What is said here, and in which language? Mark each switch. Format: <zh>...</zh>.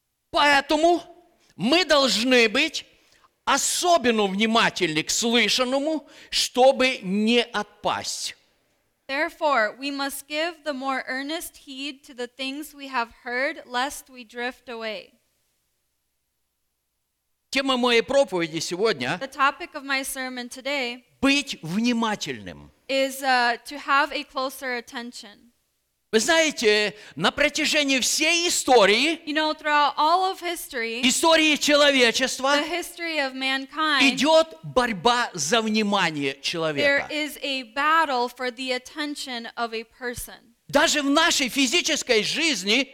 <ru>Поэтому мы должны быть особенно внимательны к слышанному, чтобы не отпасть.</ru> <en>Therefore, we must give the more earnest heed to the things we have heard, lest we drift away.</en> <ru>Тема моей проповеди сегодня</ru> <en>The topic of my sermon today</en> <ru>быть внимательным</ru> <en>is to have a closer attention.</en> <ru>Вы знаете, на протяжении всей истории</ru> <en>You know, throughout all of history</en> <ru>истории человечества</ru> <en>The history of mankind</en> <ru>идет борьба за внимание человека.</ru> <en>There is a battle for the attention of a person.</en> <ru>Даже в нашей физической жизни</ru>